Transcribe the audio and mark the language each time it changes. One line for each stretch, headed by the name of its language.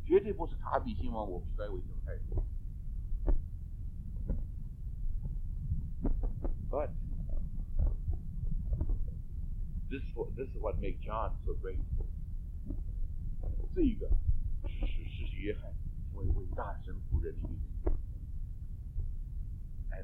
Chinese: 今天在世界上面工作的这些年轻的一种30几岁的，我们所遭遇的、所面对的要求，绝对不是他比兴旺，我比衰微这种态度。
English: But this is what makes John so great.
Chinese: 这一个是使世纪约翰成为伟大神仆人的一个，
English: and